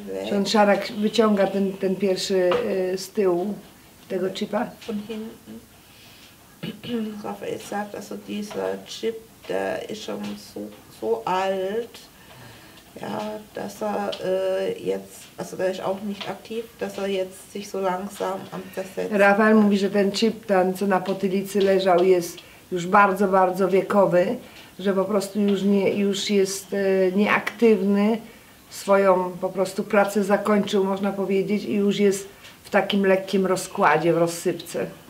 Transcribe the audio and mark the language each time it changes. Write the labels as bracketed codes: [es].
[pl] Ten Szarak wyciąga ten pierwszy z tyłu tego chipa. [de] Von hinten. Rafael sagt, also dieser Chip, der ist schon so alt, ja, dass er jetzt, also der ist auch nicht aktiv, dass er jetzt sich so langsam am Versetzen. [pl] Rafael mówi, że ten chip, ten, co na potylicy leżał, jest już bardzo, bardzo wiekowy, że po prostu już jest nieaktywny, swoją po prostu pracę zakończył, można powiedzieć, i już jest w takim lekkim rozkładzie, w rozsypce.